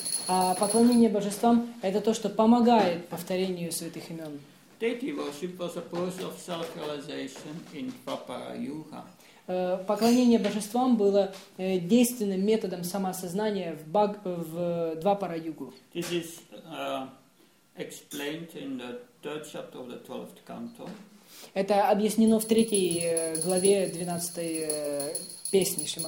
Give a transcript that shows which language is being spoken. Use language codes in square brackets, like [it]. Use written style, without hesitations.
[ru] А поклонение божествам — это то, что помогает повторению святых имен. [en] Deity worship was a process of self-realization in Dvapara Yuga. [ru] Поклонение божествам было действенным методом самоосознания в Двапара Югу. [en] This is explained in the third chapter of the 12th canto. [ru] Это объяснено в третьей главе 12-й песни